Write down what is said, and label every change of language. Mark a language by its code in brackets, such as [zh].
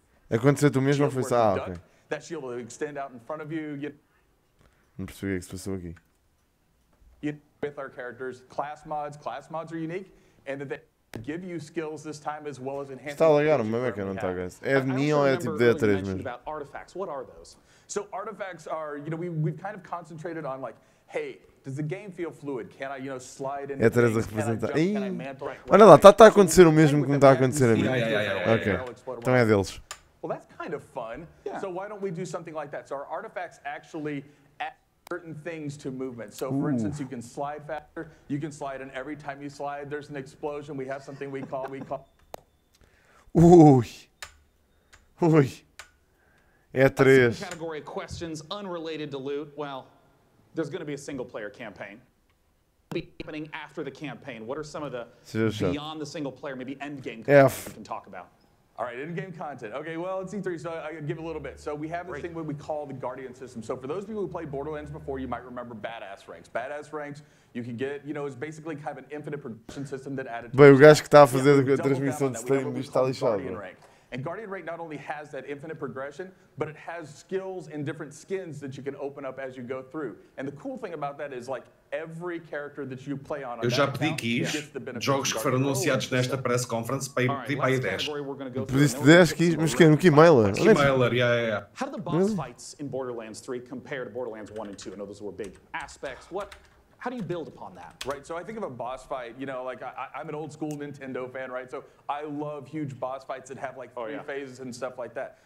[pt] Aconteceu tu mesmo ou foi só? Ah, ok. [en] That shield will extend out in front of you. [pt] Não percebi o que se passou aqui. [en] With our characters, class mods are unique, and that they give you skills this time as well as enhancing. [pt] Está ligado, mas é que não está, guys. É de Neon, é tipo de E3 mesmo. [en] Artifacts, what are those? So artifacts are, you know, we've kind of concentrated on like, hey, does the game feel fluid? Can I, you know, slide in? [pt] É três a representar. [en] Can I jump? Can I mantle? [pt] Olha lá, tá a acontecer o mesmo que me está a acontecer a mim. [en] Yeah. [pt] Okay. Então é deles. [en] Well, that's kind of fun. Yeah. So why don't we do something like that? So our artifacts actually add certain things to movement. So for instance, you can slide faster. You can slide, and every time you slide, there's an explosion. We have something we call. [pt] Ui. Ui. É três. [en] Category questions unrelated to loot. Well, there's going to be a single player campaign. Be happening after the campaign. What are some of the beyond the single player, maybe end game content we can talk about? All right, end game content. Okay, well, it's E3, so I give a little bit. So we have this thing what we call the Guardian system. So for those people who played Borderlands before, you might remember Badass Ranks. Badass Ranks, you can get, you know, it's basically kind of an infinite progression system that added. [pt] Bem, o gajo que está a fazer a transmissão de stream está lixado. [en] And Guardian Rank not only has that infinite progression, but it has skills and different skins that you can open up as you go through. And the cool thing about that is, like, every character that you play on. [pt] Eu já pedi keys, jogos que foram anunciados nesta press conference para ir para a 10. Pediste 10 keys, mas que é no Keymailer. [en] Keymailer, yeah. How do the boss fights in Borderlands 3 compare to Borderlands 1 and 2? I know those were big aspects. What? How do you build upon that? Right, so I think of a boss fight, you know, like I'm an old school Nintendo fan, right? So I love huge boss fights that have like three phases and stuff like that.